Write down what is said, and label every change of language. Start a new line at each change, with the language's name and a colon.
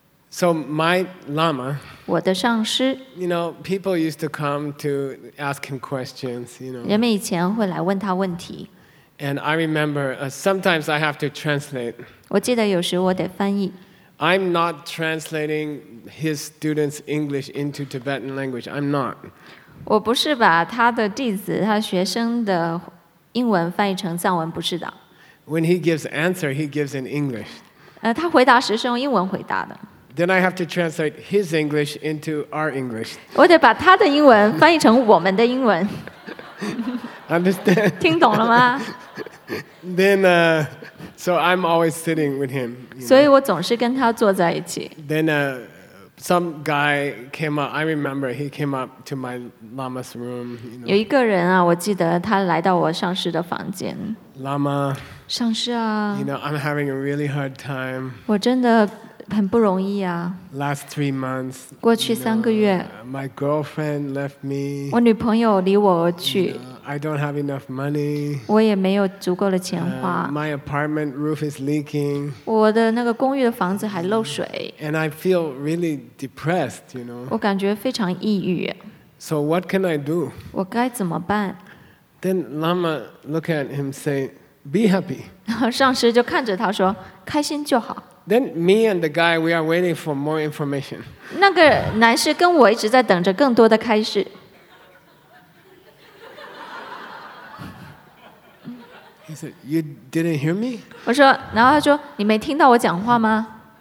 English: So my lama,
Chinese: 我的上师
English: you know, people used to come to ask him questions. You know,
Chinese: 人们以前会来问他问题。
English: And I remember, sometimes I have to translate.
Chinese: 我记得有时我得翻译。
English: I'm not translating his students' English into Tibetan language. I'm not.
Chinese: 我不是把他的弟子、他学生的英文翻译成藏文，不是的。
English: When he gives answer, he gives in English.
Chinese: 他回答时是用英文回答的。
English: Then I have to translate his English into our English.
Chinese: 我得把他的英文翻译成我们的英文。
English: Understand?
Chinese: 听懂了吗
English: Then, so I'm always sitting with him.
Chinese: 所以我总是跟他坐在一起
English: Then, some guy came up. I remember he came up to my lama's room.
Chinese: 有一个人啊，我记得他来到我上师的房间
English: Lama,
Chinese: 上师啊
English: You know, I'm having a really hard time.
Chinese: 我真的很不容易啊。
English: Last three months,
Chinese: 过去三个月
English: you know, my girlfriend left me,
Chinese: 我女朋友离我而去
English: you know, I don't have enough money,
Chinese: 我也没有足够的钱花
English: my apartment roof is leaking,
Chinese: 我的那个公寓的房子还漏水
English: and I feel really depressed, you know?
Chinese: 我感觉非常抑郁
English: So what can I do?
Chinese: 我该怎么办
English: Then Lama look at him say, be happy
Chinese: 上师就看着他说开心就好
English: Then me and the guy, we are waiting for more information.
Chinese: 那个男士跟我一直在等着更多的开始。
English: He said, "You didn't hear me?"
Chinese: 我说，然后他说，你没听到我讲话吗